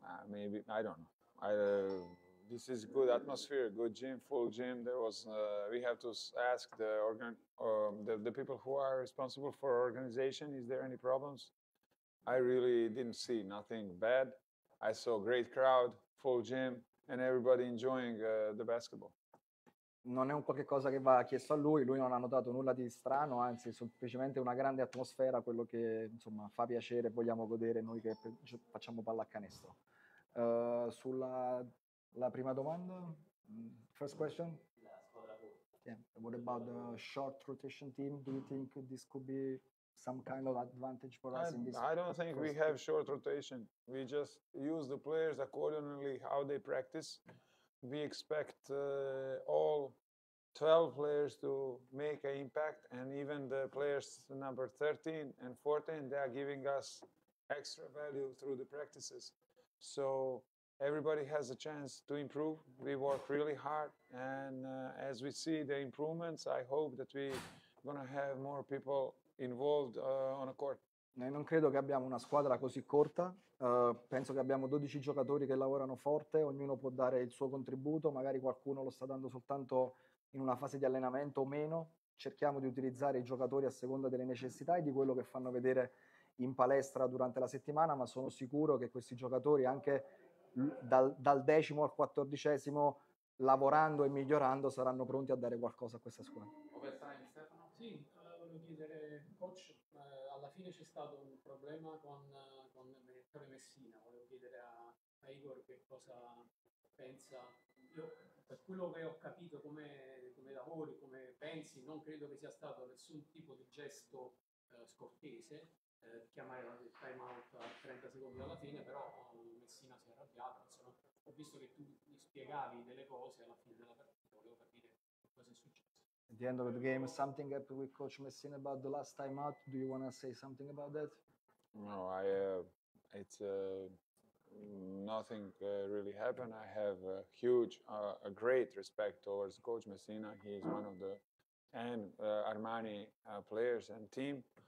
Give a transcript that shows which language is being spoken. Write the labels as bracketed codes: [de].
[en] Maybe, I don't know. This is good atmosphere, good gym, full gym. There was, we have to ask the people who are responsible for organization, is there any problems? I really didn't see nothing bad. I saw great crowd, full gym, and everybody enjoying the basketball. [it] Non è un qualche cosa che va chiesto a lui, lui non ha notato nulla di strano, anzi semplicemente una grande atmosfera, quello che insomma fa piacere, vogliamo godere noi che facciamo pallacanestro. Sulla prima domanda, [en] first question, yeah. What about the short rotation team? Do you think this could be some kind of advantage for us in this? I don't think we have short rotation. We just use the players accordingly how they practice. We expect all 12 players to make an impact, and even the players number 13 and 14, they are giving us extra value through the practices. So everybody has a chance to improve. We work really hard, and as we see the improvements, I hope that we're going to have more people involved on a court. [it] Noi non credo che abbiamo una squadra così corta, penso che abbiamo 12 giocatori che lavorano forte, ognuno può dare il suo contributo, magari qualcuno lo sta dando soltanto in una fase di allenamento o meno, cerchiamo di utilizzare i giocatori a seconda delle necessità e di quello che fanno vedere in palestra durante la settimana, ma sono sicuro che questi giocatori anche dal decimo al quattordicesimo, lavorando e migliorando, saranno pronti a dare qualcosa a questa squadra. Sì, volevo chiedere, coach, alla fine c'è stato un problema con il Messina, volevo chiedere a Igor che cosa pensa. Io, per quello che ho capito, come lavori, come pensi, non credo che sia stato nessun tipo di gesto scortese, chiamare il time out a 30 secondi alla fine, però Messina si è arrabbiato, insomma, ho visto che tu gli spiegavi delle cose alla fine della partita, volevo capire cosa è successo. [en] At the end of the game, something happened with Coach Messina about the last time out. Do you want to say something about that? No, it's nothing really happened. I have a huge, a great respect towards Coach Messina. He is one of the and Armani players and team.